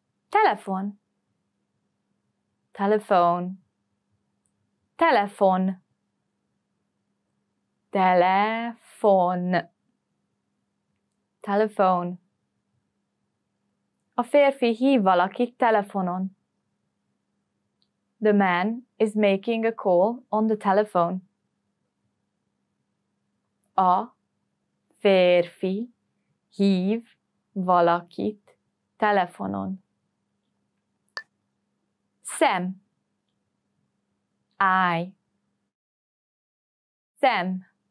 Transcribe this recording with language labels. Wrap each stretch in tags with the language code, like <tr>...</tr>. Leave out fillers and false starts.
<hu>Telefon. Telefon. Telefon. Telefon. Telefon. A férfi hív valakit telefonon.</hu> <en>The man is making a call on the telephone.</en> <hu>A férfi hív valakit telefonon. Sam. I. Sam.</hu>